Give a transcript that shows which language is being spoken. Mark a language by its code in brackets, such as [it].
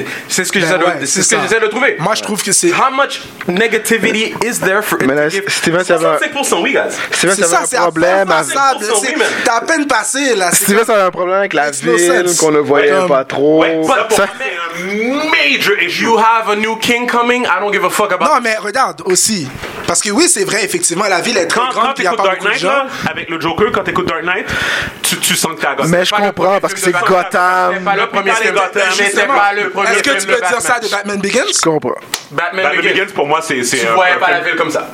[fr] C'est ce que j'essaie de trouver. Moi, je trouve que c'est... [en] How much negativity is there for... [fr] Mais là, Steven, 65%, oui, guys. Steven, c'est ça, un problème. C'est à peine passé, là. Steven, ça avait un problème avec la ville, qu'on ne voyait pas trop. Ouais, [en] but [fr] ça, [en] major issue. You have a new king coming, I don't give a fuck about... [fr] Non, mais regarde, aussi. Parce que oui, c'est vrai, effectivement, la ville est très grande, puis il n'y a pas beaucoup de gens. Avec le Joker, quand tu écoutes Dark Knight, tu sens que t'es à Gotham. Mais je comprends, parce que c'est Gotham. C'est pas le premier film de Gotham, mais c'est pas... Est-ce que tu peux dire ça de Batman Begins? Je comprends. Batman Begins pour moi c'est tu voyais pas la ville comme ça.